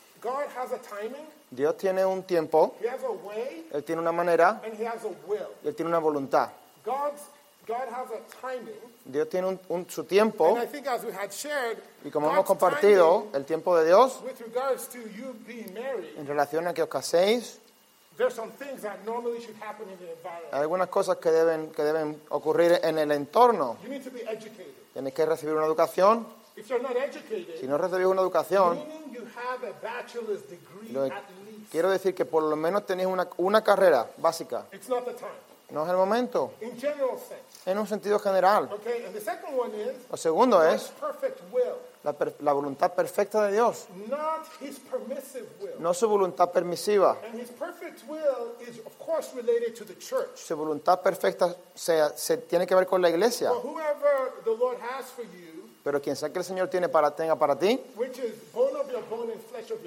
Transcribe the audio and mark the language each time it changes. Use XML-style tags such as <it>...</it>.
<en>God has a timing.</en> <es>Dios tiene un tiempo.</es> <en>He has a way.</en> <es>Él tiene una manera.</es> <en>And he has a will.</en> <es>Y él tiene una voluntad.</es> <en>God has a timing.</en> <es>Dios tiene su tiempo.</es> <en>And I think as we had shared,</en> <es>y como hemos compartido, el tiempo de Dios</es> <en>with regards to you being married,</en> <es>en relación a que os caséis,</es> <en>there's some things that normally should happen in the environment.</en> <es>Hay algunas cosas que deben ocurrir en el entorno.</es> <en>You need to be educated.</en> <es>Tienes que recibir una educación.</es> <en>If you're not educated,</en> <es>si no recibís una educación,</es> <en>meaning you have a bachelor's degree at least.</en> <es>Quiero decir que por lo menos tenéis una carrera básica.</es> <en>It's not the time.</en> <es>No es el momento.</es> <en>In general sense.</en> <es>En un sentido general.</es> <en>Okay, and the second one is,</en> <es>lo segundo es</es> <en>perfect will.</en> <es>La voluntad perfecta de Dios.</es> <en>Not his permissive will.</en> <es>No su voluntad permisiva.</es> <en>And his perfect will is of course related to the church.</en> <es>Su voluntad perfecta se tiene que ver con la iglesia.</es> <en>Well, whoever the Lord has for you,</en> <es>pero quien sea que el Señor tenga para ti,</es> <en>which is bone of your bone and flesh.</en>